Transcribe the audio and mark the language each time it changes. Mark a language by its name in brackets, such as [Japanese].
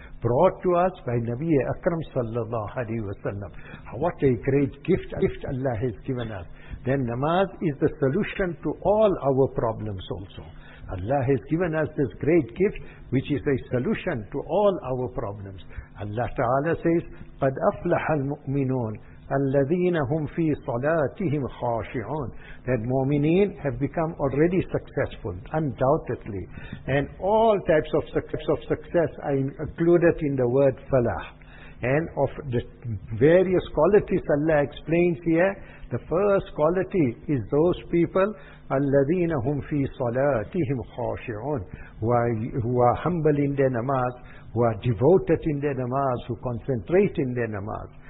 [English] Brought to us by Nabi Akram sallallahu alayhi wa sallam. What a great gift Allah has given us. Then namaz is the solution to all our problems also. Allah has given us this great gift, which is a solution to all our problems. Allah Ta'ala says, [Arabic] قَدْ أَفْلَحَ الْمُؤْمِنُونَ الَّذِينَ هُمْ فِي صَلَاتِهِمْ خَاشِعُونَ. [English] That mu'mineen have become already successful, undoubtedly. And all types of success are included in the word falah. And of the various qualities Allah explains here, the first quality is those people, [Arabic] الَّذِينَ هُمْ فِي صَلَاتِهِمْ خَاشِعُونَ, [English] who are humble in their namaz, who are devoted in their namaz, who concentrate in their namaz.